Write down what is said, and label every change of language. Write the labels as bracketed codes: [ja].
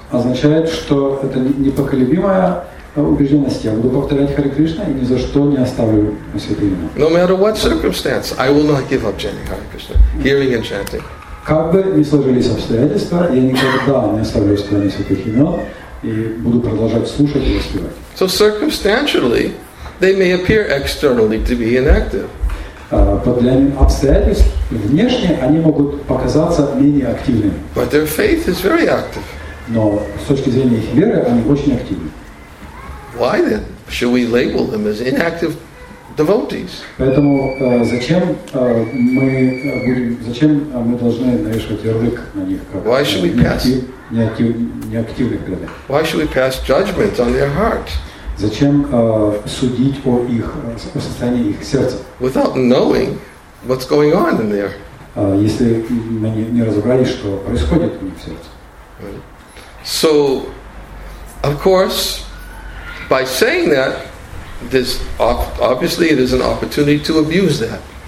[ru] Означает, что это непоколебимая убежденности. Я буду повторять Харе Кришна и ни за что не оставлю святое имя. [en] No matter what circumstance, I will not give up chanting Hare Krishna, hearing and chanting. [ru] Как бы ни сложились обстоятельства, я никогда не оставлю исполнение святых имен и буду продолжать слушать и воспевать. [en] So circumstantially, they may appear externally to be inactive. [ru] Под влиянием обстоятельств внешне они могут показаться менее активными. [en] But their faith is very active. [ru] Но с точки зрения их веры они очень активны. [en] Why then should we label them as inactive devotees? [ru] Поэтому зачем мы должны навешивать ярлык на них как? [en] Why should we pass [ru] неактивных преданных? [en] Why should we pass judgment on their heart? [ru] Зачем судить о их состоянии их сердца? [en] Without knowing what's going on in there. [ru] Если мы не разобрались, что происходит у них в сердце. [en] So, of course. By saying that, there's obviously it is an opportunity to abuse that.